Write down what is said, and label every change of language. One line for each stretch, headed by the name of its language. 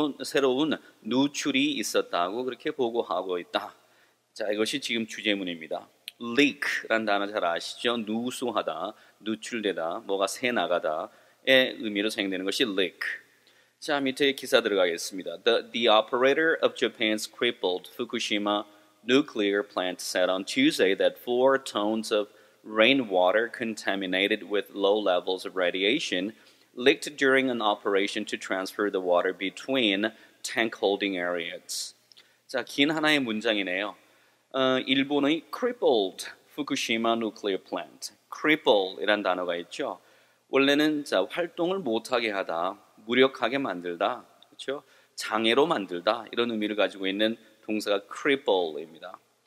Korean: 새로운 누출이 있었다고 그렇게 보고하고 있다. 자, 이것이 지금 주제문입니다. leak란 단어 잘 아시죠? 누수하다, 누출되다, 뭐가 새나가다의 의미로 사용되는 것이 leak. 자, 밑에 기사 들어가겠습니다.
English: The operator of Japan's crippled Fukushima nuclear plant said on Tuesday that 4 tons of rainwater contaminated with low levels of radiation leaked during an operation to transfer the water between tank holding areas.
Korean: 자, 긴 하나의 문장이네요.
English: 일본의 crippled Fukushima nuclear plant.
Korean: Cripple이란 단어가 있죠. 원래는 자, 활동을 못하게 하다, 무력하게 만들다, 그렇죠? 장애로 만들다, 이런 의미를 가지고 있는 동사가 cripple입니다.